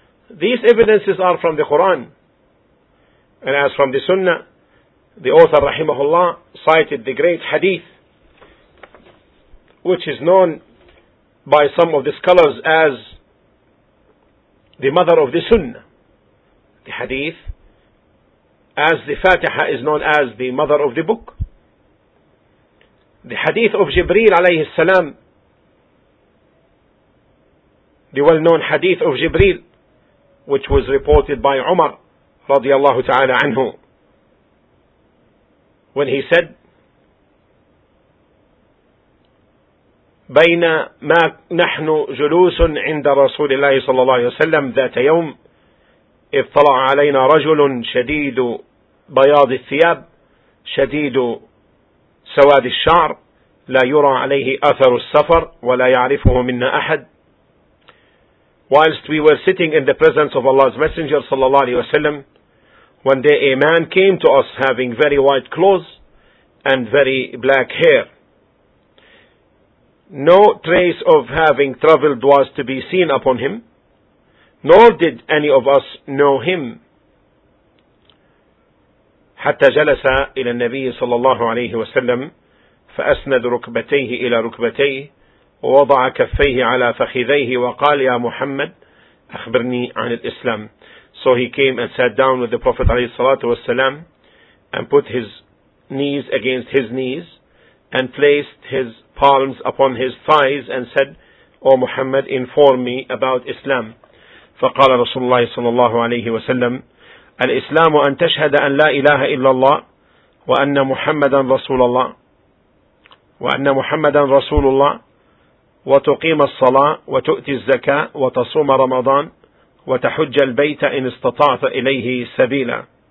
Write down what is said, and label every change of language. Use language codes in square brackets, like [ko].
[en] These evidences are from the Quran. And as from the Sunnah, the author, rahimahullah, cited the great hadith, which is known by some of the scholars as the mother of the Sunnah. The hadith, as the Fatiha, is known as the mother of the book. The hadith of Jibreel [ar] alayhi salam, [en] the well-known hadith of Jibreel, which was reported by Umar [ar] radiyallahu ta'ala anhu, [en] when he said, [ar] بَيْنَ مَا نَحْنُ جُلُوسٌ عِنْدَ رَسُولِ اللَّهِ صَلَّى اللَّهِ وَسَلَّمْ ذَاتَ يَوْمْ إِذْ طَلَعَ عَلَيْنَا رَجُلٌ شَدِيدُ بَيَاضِ الثِّيَابِ شَدِيدُ سواد الشعر لا يرى عليه أثر السفر ولا يعرفه منا أحد. [en] Whilst we were sitting in the presence of Allah's Messenger [ar] صلى الله عليه وسلم, [en] one day a man came to us having very white clothes and very black hair. No trace of having traveled was to be seen upon him, nor did any of us know him. [ar] حتى جلس إلى النبي صلى الله عليه وسلم فأسند ركبتيه إلى ركبتيه ووضع كفيه على فخذيه وقال يا محمد أخبرني عن الإسلام. [en] So he came and sat down with the Prophet [ar] عليه الصلاة والسلام [en] and put his knees against his knees and placed his palms upon his thighs and said, O Muhammad, inform me about Islam. [ar] فقال رسول الله صلى الله عليه وسلم الإسلام أن تشهد أن لا إله إلا الله وأن محمدا رسول الله وأن محمدا رسول الله وتقيم الصلاة وتؤتي الزكاة وتصوم رمضان وتحج البيت إن استطعت إليه سبيلا.